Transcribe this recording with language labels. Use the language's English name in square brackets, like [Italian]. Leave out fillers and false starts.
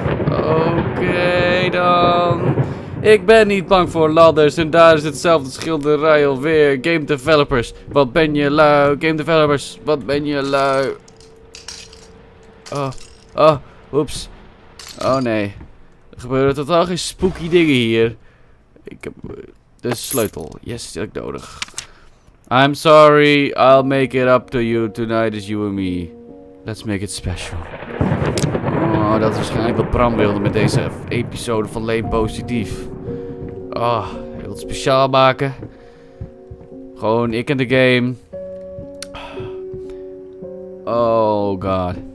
[Dutch] Oké, dan. Ik ben niet bang voor ladders en daar is hetzelfde schilderij alweer. Game developers, wat ben je lui? Game developers, wat ben je lui? Oeps. Oh nee. Er gebeuren totaal geen spooky dingen hier. Ik heb de sleutel. Yes, die heb ik nodig. [English] I'm sorry, I'll make it up to you. Tonight is you and me. Let's make it special. [Dutch] Oh, dat is waarschijnlijk wat Bram wilde met deze episode van Leen Positief. Oh, hij wil het speciaal maken. Gewoon ik en de game. Oh god.